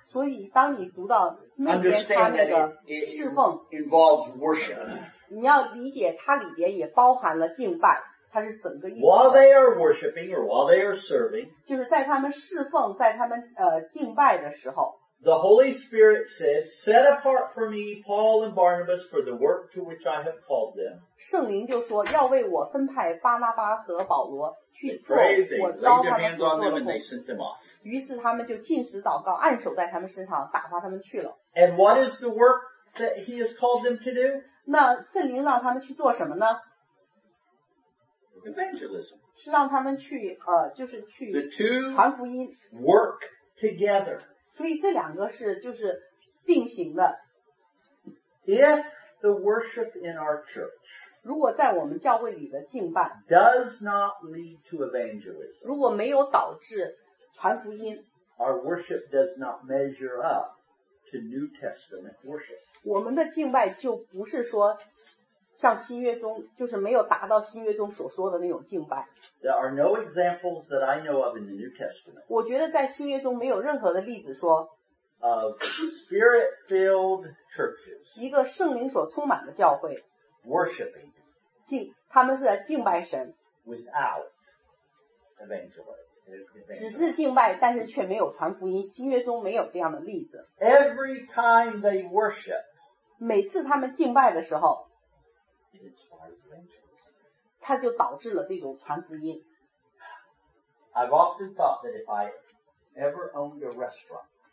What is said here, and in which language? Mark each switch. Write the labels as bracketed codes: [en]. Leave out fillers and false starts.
[zh] 所以当你读到那边他那个侍奉 [en] involves worship. [zh] 你要理解它里边也包含了敬拜，它是整个意思。 [en] While they are worshiping or while they are serving, [zh] 就是在他们侍奉，在他们敬拜的时候。 [en] The Holy Spirit says, set apart for me Paul and Barnabas for the work to which I have called them. [zh] 圣灵就说, 要为我分派巴拿巴和保罗, [en] they prayed, they laid their hands on them and they sent them off. [zh] 于是他们就禁食祷告, 按手在他们身上, 打发他们去了。 [en] And what is the work that he has called them to do? [zh] 那圣灵让他们去做什么呢? [en] Evangelism. [zh] 是让他们去, 就是去, [en] the two [zh] 传福音, [en] work together. [zh] 所以这两个是就是并行的。 [en] If the worship in our church [zh] 如果在我们教会里的敬拜 [en] does not lead to evangelism [zh] 如果没有导致传福音 [en] our worship does not measure up to New Testament worship [zh] 我们的敬拜就不是说像新约中就是没有达到新约中所说的那种敬拜。 [en] There are no examples that I know of in the New Testament [zh] 我觉得在新约中没有任何的例子说 [en] of spirit-filled churches. [zh] 一个圣灵所充满的教会, [en] worshiping. [zh] 敬, 他们是在敬拜神, [en] without evangelism. [zh] 只是敬拜, 但是却没有传福音, 新约中没有这样的例子。 [en] Every time they worship, [zh] 每次他们敬拜的时候, [en] it inspires evangelism. [zh] 他就导致了这种传福音。 [en] I've often thought that if I ever owned a restaurant,